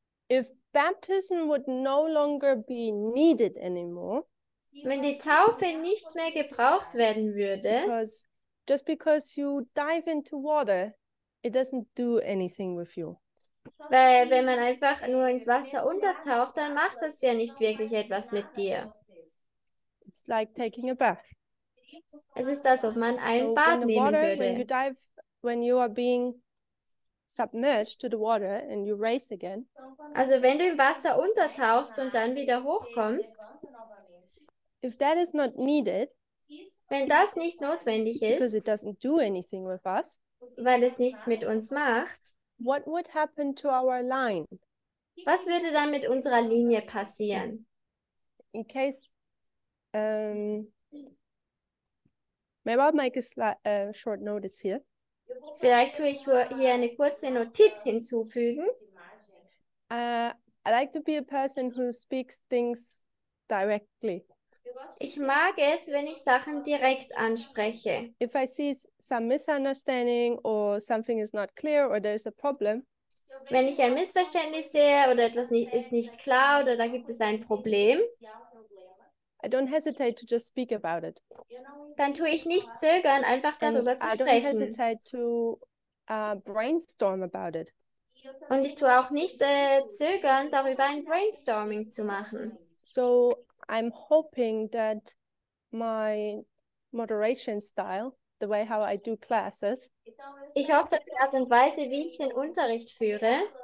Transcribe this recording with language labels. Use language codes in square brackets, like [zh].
[en] if baptism would no longer be needed anymore, [de] wenn die Taufe nicht mehr gebraucht werden würde, [en] just because you dive into water, it doesn't do anything with you. [de] Weil wenn man einfach nur ins Wasser untertaucht, dann macht das ja nicht wirklich etwas mit dir. [en] It's like taking a bath. [de] Es ist, als ob man ein [en] so [de] Bad [en] when the [de] nehmen [en] water, [de] würde. [en] When you dive, when you are being submerged to the water and you race again. [de] Also wenn du im Wasser untertauchst und dann wieder hochkommst, [en] if that is not needed, [de] Wenn das nicht notwendig ist, [en] because it doesn't do anything with us, [de] weil es nichts mit uns macht, [en] what would happen to our line? [de] Was würde dann mit unserer Linie passieren? [en] In case, maybe I'll make a short notice here. [de] Vielleicht tue ich hier eine kurze Notiz hinzufügen. [en] I like to be a person who speaks things directly. [de] Ich mag es, wenn ich Sachen direkt anspreche. [en] If I see some misunderstanding or something is not clear or there is a problem. [de] Wenn ich ein Missverständnis sehe oder etwas nicht, ist nicht klar oder da gibt es ein Problem. [en] I don't hesitate to just speak about it. [de] Dann tue ich nicht zögern, einfach darüber zu sprechen. [en] I don't hesitate to brainstorm about it. [de] Und ich tue auch nicht zögern, darüber ein Brainstorming zu machen. [en] So I'm hoping that my moderation style, the way how I do classes. [de] Ich hoffe, dass die Art und Weise, wie ich den Unterricht führe,